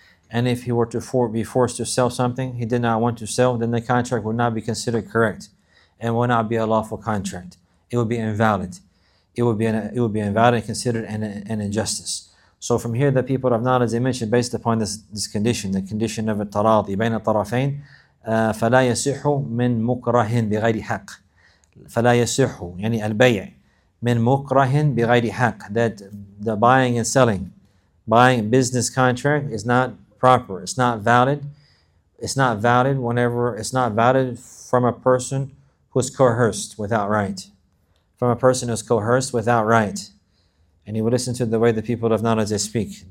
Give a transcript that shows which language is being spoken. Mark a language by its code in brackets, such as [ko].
[en] And if he were to be forced to sell something he did not want to sell, then the contract would not be considered correct and would not be a lawful contract. It would be invalid. It would be invalid and considered an injustice. So from here, the people of knowledge, they mentioned based upon this condition, the condition of [ar] التراضي بين الطرفين, فلا يصح من مكره بغير حق. فلا يصح يعني البيع من مكره بغير حق. [en] That the buying and selling, buying business contract is not proper. It's not valid. It's not valid whenever it's not valid from a person who's coerced without right. From a person who's coerced without right. And you would listen to the way the people of knowledge speak.